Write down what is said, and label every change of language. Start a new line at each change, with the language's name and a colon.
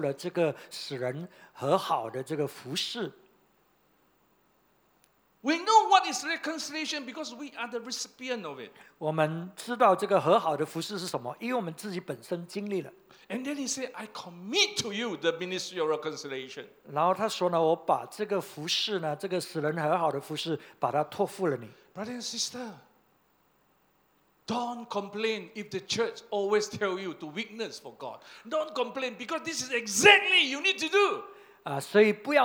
Chinese: 当他讲到我们是新造的人的时候，他马上说呢，我们就领受了这个使人和好的这个服事。
English: We know what is reconciliation because we are the recipient of it.
Chinese: 我们知道这个和好的服事是什么，因为我们自己本身经历了。
English: And then he said, I commit to you the ministry of reconciliation.
Chinese: 然后他说呢，我把这个服事呢，这个使人和好的服事，把它托付了你。
English: Brother and sister, don't complain if the church always tell you to witness for God. Don't complain because this is exactly you need to do.